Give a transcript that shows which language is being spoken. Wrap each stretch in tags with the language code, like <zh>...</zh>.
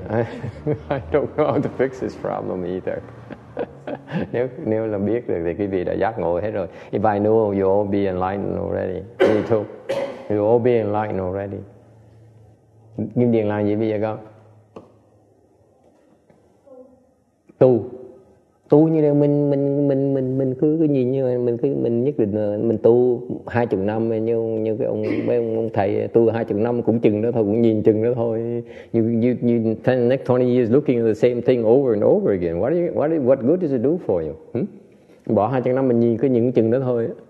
<en>I don't know how to fix this problem either.</en> <vi>Nếu là biết được thì quý vị đã giác ngộ hết rồi.</vi> <en>If I know, you'll all be enlightened already. Me too. You'll all be enlightened already.</en> <vi>Kim Điền làm gì bây giờ con? Tu. Tu như là mình cứ nhìn như mình nhất định mình tu 20 năm, như cái ông thầy tu 20 năm cũng chừng đó thôi, cũng nhìn chừng đó thôi.</vi> <en>You the next 20 years looking at the same thing over and over again. What good does it do for you?</en> <vi>Bỏ 20 năm mình nhìn cứ những chừng đó thôi.</vi>